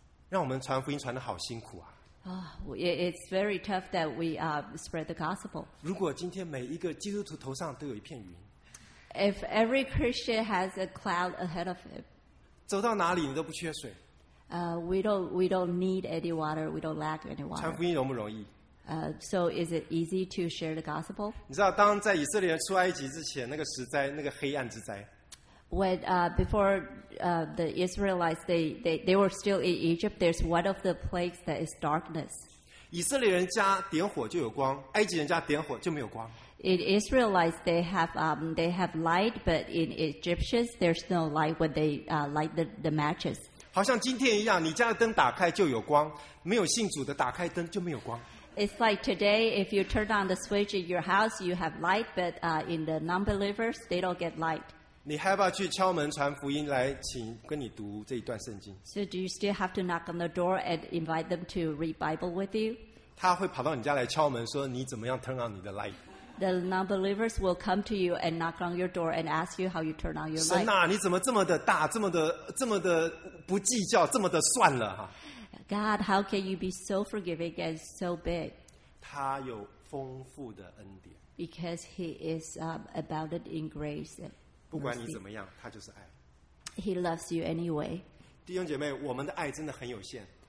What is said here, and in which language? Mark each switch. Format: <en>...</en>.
<zh>让我们传福音传得好辛苦啊！</zh> <en>It's very tough that we spread the gospel.</en> <zh>如果今天每一个基督徒头上都有一片云，</zh> <en>If every Christian has a cloud ahead of him,</en> <zh>走到哪里你都不缺水。</zh> <en>We don't need any water. We don't lack any water.</en> <zh>传福音容不容易？</zh> <en>So is it easy to share the gospel?</en> <zh>你知道，当在以色列人出埃及之前，那个时灾，那个黑暗之灾。</zh> <en>When before the Israelites they were still in Egypt, there's one of the plagues that is darkness.</en> <zh>以色列人家点火就有光，埃及人家点火就没有光。</zh> <en>In Israelites they have light, but in Egyptians there's no light when they light the matches.</en> <zh>好像今天一样，你家的灯打开就有光，没有信主的打开灯就没有光。</zh> <en>It's like today, if you turn on the switch in your house, you have light, but in the non-believers they don't get light.</en> <zh>你还要不要去敲门传福音来请跟你读这一段圣经</zh> <en>？So do you still have to knock on the door and invite them to read Bible with you？</en> <zh>他会跑到你家来敲门，说你怎么样</zh> <en>turn on</en> <zh>你的 light？</zh> <en>The non-believers will come to you and knock on your door and ask you how you turn on your light。</en> <zh>神啊，你怎么这么的大，这么的不计较，这么的算了</zh> <en>？God, how can you be so forgiving and so big？</en> <zh>他有丰富的恩典。</zh> <en>Because he is abounded in grace。</en> <zh>不管你怎么样，他就是爱。</zh> <en>He loves you anyway.</en> <zh>弟兄姐妹，我们的爱真的很有限。</zh>